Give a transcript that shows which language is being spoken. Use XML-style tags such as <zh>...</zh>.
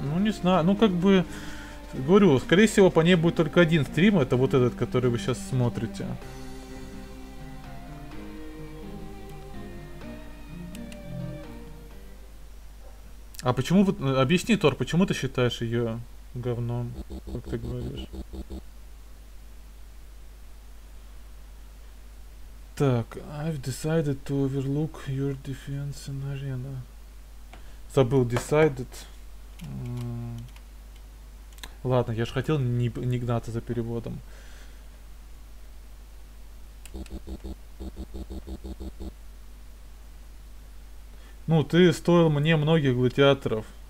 <ru>Ну, не знаю, ну, как бы, говорю, скорее всего, по ней будет только один стрим, это вот этот, который вы сейчас смотрите. А почему вот. Объясни, Тор, почему ты считаешь ее говном, как ты говоришь?</ru> <en>Так, I've decided to overlook your defense in arena.</en> <ru>Забыл decided. Ладно, я же хотел не гнаться за переводом. Ну, ты стоил мне многих гладиаторов.</ru>